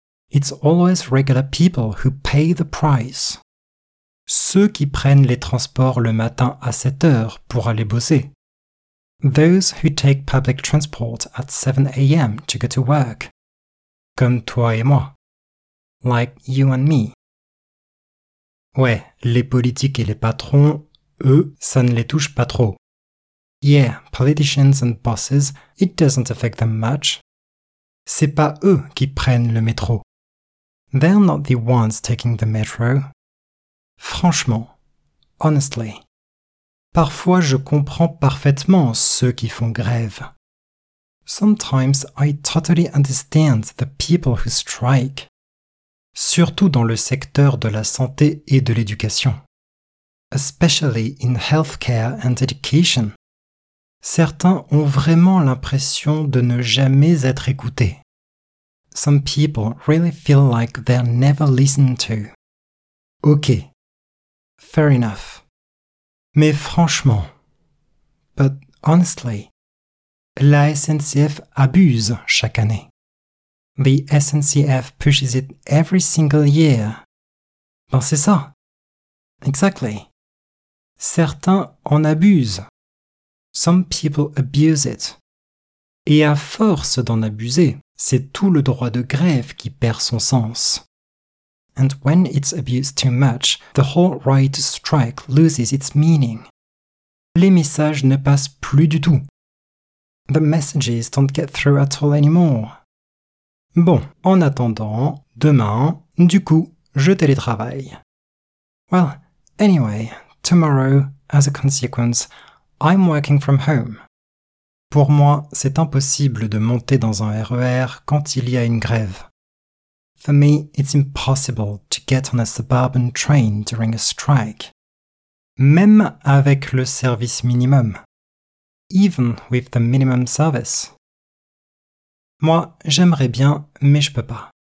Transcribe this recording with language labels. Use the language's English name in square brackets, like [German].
[English] It's always regular people who pay the price. [French] Ceux qui prennent les transports le matin à 7h pour aller bosser. [English] Those who take public transport at 7 a.m. to go to work. [French] Comme toi et moi. [English] Like you and me. [French] Ouais, les politiques et les patrons, eux, ça ne les touche pas trop. [English] Yeah, politicians and bosses, it doesn't affect them much. [French] C'est pas eux qui prennent le métro. [English] They're not the ones taking the metro. [French] Franchement, [English] honestly. [French] Parfois, je comprends parfaitement ceux qui font grève. [English] Sometimes, I totally understand the people who strike. [French] Surtout dans le secteur de la santé et de l'éducation. [English] Especially in healthcare and education. [French] Certains ont vraiment l'impression de ne jamais être écoutés. [English] Some people really feel like they're never listened to. Ok. Fair enough. [French] Mais franchement, [English] but honestly, [French] la SNCF abuse chaque année. [English] The SNCF pushes it every single year. [French] Ben c'est ça. [English] Exactly. [French] Certains en abusent. [English] Some people abuse it. [French] Et à force d'en abuser, c'est tout le droit de grève qui perd son sens. [English] And when it's abused too much, the whole right to strike loses its meaning. [French] Les messages ne passent plus du tout. [English] The messages don't get through at all anymore. [French] Bon, en attendant, demain, du coup, je télétravaille. [English] Well, anyway, tomorrow, as a consequence, I'm working from home. [French] Pour moi, c'est impossible de monter dans un RER quand il y a une grève. [English] For me, it's impossible to get on a suburban train during a strike. [French] Même avec le service minimum. [English] even with the minimum service. [French] Moi, j'aimerais bien, mais je peux pas.